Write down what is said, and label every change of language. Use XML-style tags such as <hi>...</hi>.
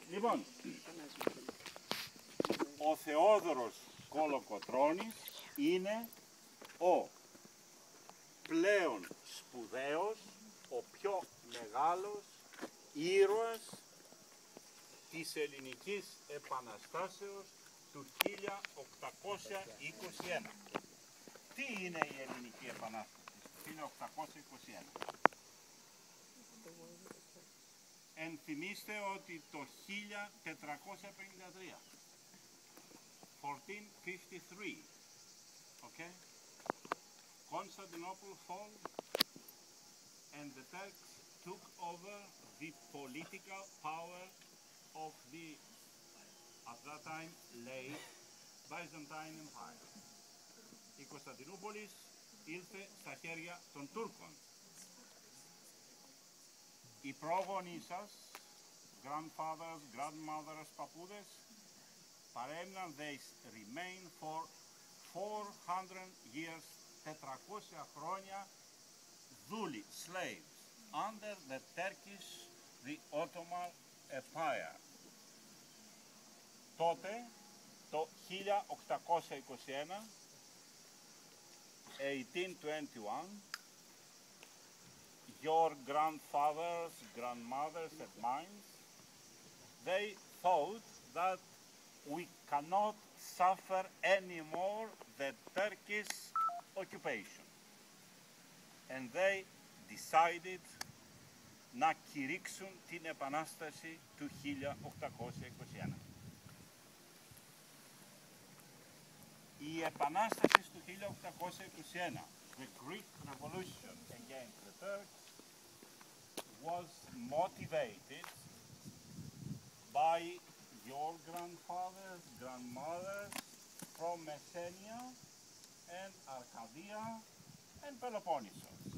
<el>Λοιπόν, ο Θεόδωρος Κολοκοτρώνης είναι ο πλέον σπουδαίος, ο πιο μεγάλος ήρωας της ελληνικής επαναστάσεως του 1821. Τι είναι η ελληνική επανάσταση του 1821? Ενθυμίστε ότι το</el> <en>1453, 1453, okay, Constantinople fall and the Turks took over the political power of the, at that time, late Byzantine Empire.</en> <el>Η Κωνσταντινούπολης ήρθε στα χέρια των Τούρκων. Οι πρόγονοί σας,</el> <en>grandfathers, grandmothers,</en> <el>παππούδες, παρέμειναν,</el> <en>they remain for 400 years, 400</en> <el>χρόνια, δούλοι,</el> <en>slaves, under the Turkish, the Ottoman Empire.</en> <el>Τότε,</el> <en>το 1821, 1821, your grandfathers, grandmothers and mine, they thought that we cannot suffer anymore the Turkish occupation. And they decided</en> <el>να κηρύξουν την επανάσταση του 1821. Η επανάσταση του 1821,</el> <en>the Greek Revolution against the Turks, was motivated by your grandfathers, grandmothers from Messenia and Arcadia and Peloponnesus.</en>